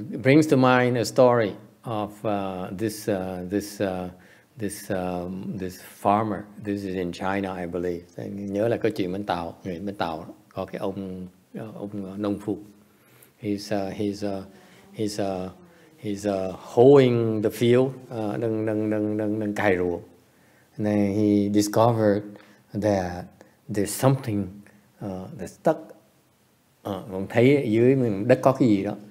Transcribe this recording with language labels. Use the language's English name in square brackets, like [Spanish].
[English] It brings to mind a story of this farmer. This is in China, I believe. [Vietnamese] Nhớ là câu chuyện Minh Tào có cái ông nông phu. [English] He's hoeing the field, [Vietnamese] đang cày ruộng. [English] And then he discovered that there's something that's stuck. [Vietnamese] Ông thấy dưới mình đất có cái gì đó.